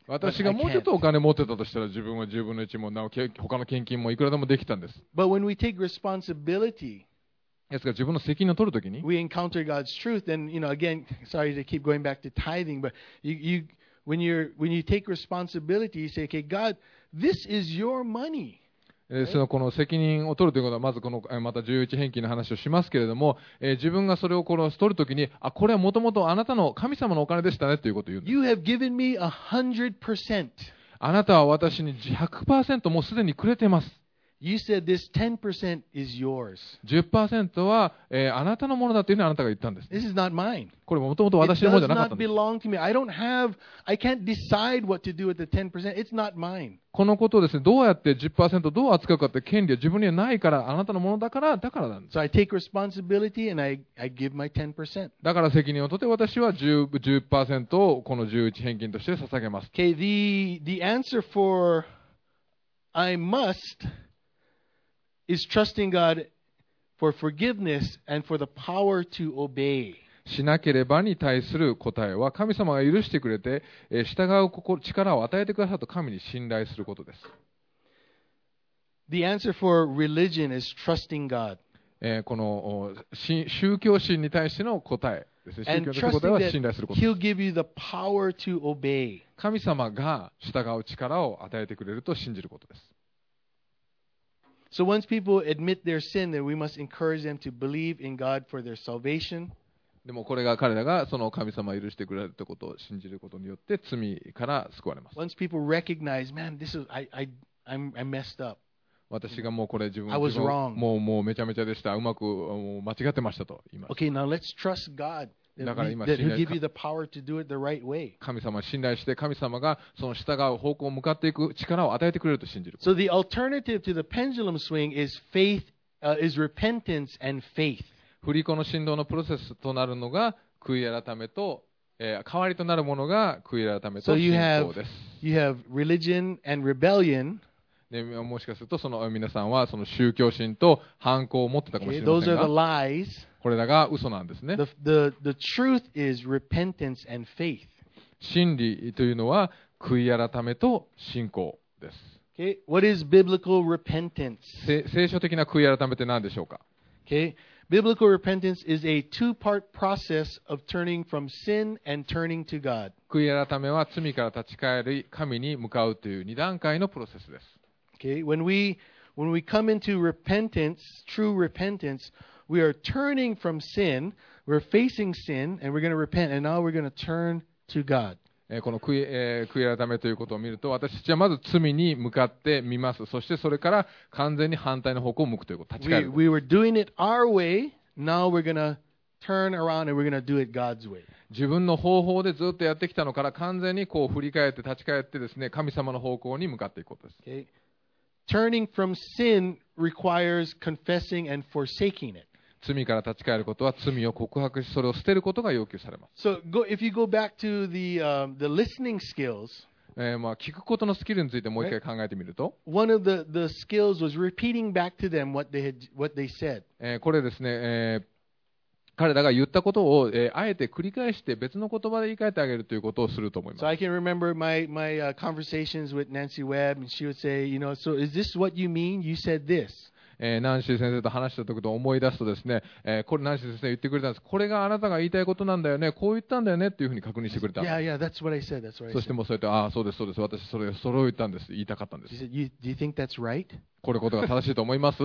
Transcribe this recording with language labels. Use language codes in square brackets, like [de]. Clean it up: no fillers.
[ja] 私がもうちょっとお金持ってたとしたら、自分は10分の1もなお他の献金もいくらでもできたんです。 [en] But when we take responsibility, [ja] ですから自分の責任を取るときに、 [en] we encounter God's truth, then, you know, again, sorry to keep going back to tithing, but when you take responsibility, you say, okay, God, this is your money. [ja] そのこの責任を取るということは、まずこのまた十一返金の話をしますけれども、自分がそれを殺す取るときに、あ、これはもともとあなたの神様のお金でしたねということを言う。 [en] You have given me 100%. [ja] あなたは私に 100% もうすでにくれてます。 [en] You said this 10% is yours. [ja] 10% は、あなたのものだというふうにあなたが言ったんです。 [en] This is not mine. [ja] これもともと私のものじゃなかったんです。 [en] It does not belong to me. I don't have. I can't decide what to do with the 10%. It's not mine. [ja] このことをですね、どうやって 10% どう扱うかって権利は自分にはないから、あなたのものだから、だからなんです。 [en] So I take responsibility and I give my 10%. [ja] だから責任を取って私は 10% をこの11返金として捧げます。 [en] Okay, the answer for I must is trusting God for forgiveness and for the power to obey. [ja] しなければに対する答えは、神様が許してくれて従う力を与えてくださると神に信頼することです。 [en] The answer for religion is trusting God. [ja] この宗教心に対しての答えですね。宗教の答えは信頼することです。 [en] He'll give you the power to obey. [ja] 神様が従う力を与えてくれると信じることです。 [en] So once people admit their sin, then we must encourage them to believe in God for their salvation. [ja] でもこれが彼らがその神様を許してくれるということを信じることによって罪から救われます。 [en] Once people recognize, man, this is I messed up. [ja] 私がもうこれ自分 [en] が I was wrong. [ja] もうめちゃめちゃでした。うまくもう間違ってましたと言いました。 [en] Okay, now let's trust God. [ja] だから今信頼。 [en] That He'll give you the power to do it the right way. [ja] 神様を信頼して神様がその従う方向を向かっていく力を与えてくれると信じる。 [en] So the alternative to the pendulum swing is faith, is repentance and faith. [ja] 振り子の振動のプロセスとなるのが悔い改めと、代わりとなるものが悔い改めと信仰です。 [en] So you have religion and rebellion. [ja] でもしかするとその皆さんはその宗教心と反抗を持ってたかもしれませんが、 [en] Those are the lies. [ja] これらが嘘なんですね。 [en] The truth is repentance and faith. [ja] 真理というのは悔い改めと信仰です。 [en] Okay. What is biblical repentance? [ja] 聖書的な悔い改めって何でしょうか。 [en] Okay. Biblical repentance is a two-part process of turning from sin and turning to God. [ja] 悔い改めは罪から立ち返り神に向かうという二段階のプロセスです。 [en] Okay, when we come into repentance, true repentance, we are turning from sin, we're facing sin, and we're going to repent, and now we're going to turn to God. [ja] この悔い改めということを見ると、私たちはまず罪に向かってみます。そしてそれから完全に反対の方向を向くということ、立ち返ること。 [en] We were doing it our way. Now we're gonna turn around and we're gonna do it God's way. [ja] 自分の方法でずっとやってきたのから完全にこう振り返って立ち返ってですね、神様の方向に向かっていくことです。 [en] Okay. Turning from sin requires confessing and forsaking it. [ja] 罪から立ち返ることは罪を告白しそれを捨てることが要求されます。 [en] So, go, if you go back to the, the listening skills, [ja] まあ聞くことのスキルについてもう一回考えてみると、 [en] one of the skills was repeating back to them what they had, what they said. [ja] これですね、彼らが言ったことを、あえて繰り返して別の言葉で言い換えてあげるということをすると思います。 [en] So I can remember my conversations with Nancy Webb, and she would say, you know, so is this what you mean? You said this. [ja] ナンシー先生と話したときと思い出すとですね、これナンシー先生言ってくれたんです。これがあなたが言いたいことなんだよね、こう言ったんだよねっていうふうに確認してくれた。 [en] Yeah, yeah, that's what I said. That's what I said. [ja] そしてもうそうやって、ああ、そうです、そうです。私それを言ったんです。言いたかったんです。 [en] She said, do you think that's right? [ja] これことが正しいと思います?